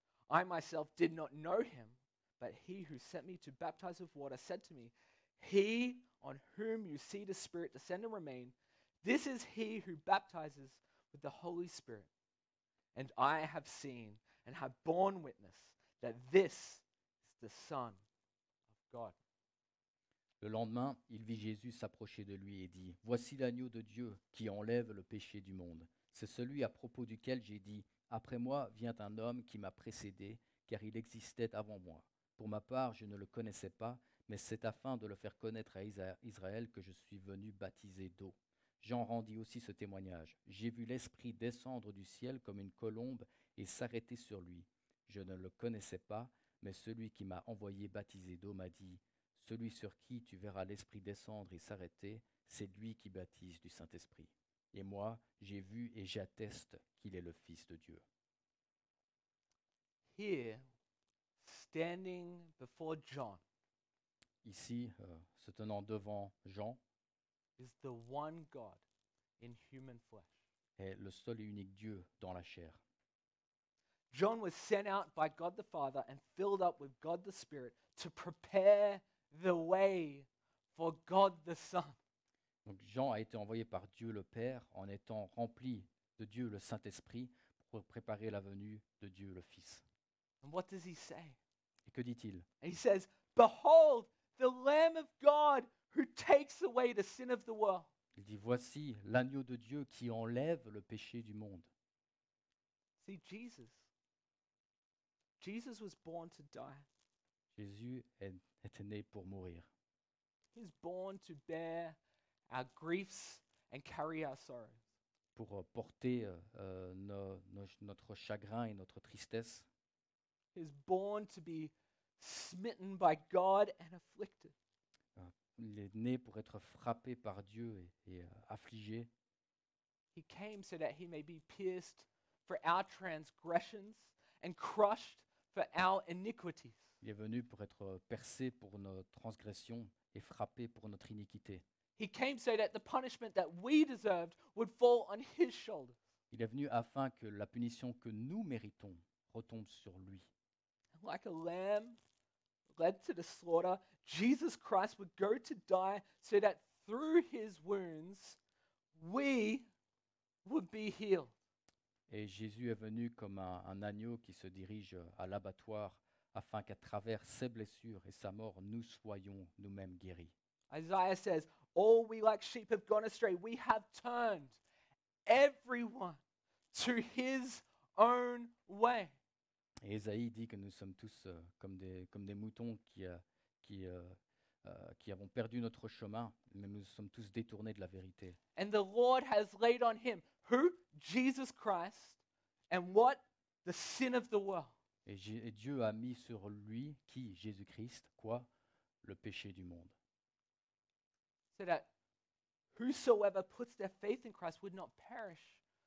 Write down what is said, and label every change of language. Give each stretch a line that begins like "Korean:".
English: I myself did not know him, but he who sent me to baptize with water said to me, 'He on whom you see the Spirit descend and remain, this is he who baptizes with the Holy Spirit.' And I have seen and have borne witness that this is the Son of God."
French: Le lendemain, il vit Jésus s'approcher de lui et dit, « Voici l'agneau de Dieu qui enlève le péché du monde. C'est celui à propos duquel j'ai dit, « Après moi vient un homme qui m'a précédé, car il existait avant moi. Pour ma part, je ne le connaissais pas, mais c'est afin de le faire connaître à Israël que je suis venu baptiser d'eau. » Jean rendit aussi ce témoignage. « J'ai vu l'Esprit descendre du ciel comme une colombe et s'arrêter sur lui. Je ne le connaissais pas, mais celui qui m'a envoyé baptiser d'eau m'a dit, « Celui sur qui tu verras l'Esprit descendre et s'arrêter, c'est lui qui baptise du Saint-Esprit. Et moi, j'ai vu et j'atteste qu'il est le Fils de Dieu. »
English: Here, standing before John,
French: ici, se tenant devant Jean,
English: is the one God in human flesh.
French: Est le seul et unique Dieu dans la chair.
English: John was sent out by God the Father and filled up with God the Spirit to prepare the way for God the Son.
French: Donc Jean a été envoyé par Dieu le Père en étant rempli de Dieu le Saint-Esprit pour préparer la venue de Dieu le Fils.
English: And what does he say?
French: Et que dit-il?
English: And he says, "Behold, the Lamb of God who takes away the sin of the world."
French: Il dit, voici l'agneau de Dieu qui enlève le péché du monde.
English: See, Jesus was born to die.
French: Jésus était né pour mourir.
English: He was born to bear our griefs and carry our sorrows.
French: Pour porter notre chagrin et notre tristesse.
English: He was born to be smitten by God and afflicted.
French: Il est né pour être frappé par Dieu et affligé.
English: He came so that he may be pierced for our transgressions and crushed for our iniquities.
French: Il est venu pour être percé pour nos transgressions et frappé pour notre iniquité.
English: He came so that the punishment that we deserved would fall on his shoulders.
French: Il est venu afin que la punition que nous méritons retombe sur lui.
English: Like a lamb led to the slaughter, Jesus Christ would go to die so that through his wounds, we would be healed.
French: Et Jésus est venu comme un agneau qui se dirige à l'abattoir afin qu'à travers ses blessures et sa mort, nous soyons nous-mêmes guéris.
English: Isaiah says, "All we like sheep have gone astray. We have turned everyone to his own way."
French: Et Esaïe dit que nous sommes tous comme des moutons qui avons perdu notre chemin, mais nous sommes tous détournés de la vérité.
English: And the Lord has laid on him, who? Jesus Christ, and what? The sin of the world.
French: Et Dieu a mis sur lui, qui? Jésus-Christ, quoi? Le péché du monde.
English: So that whosoever puts their faith in Christ would not perish.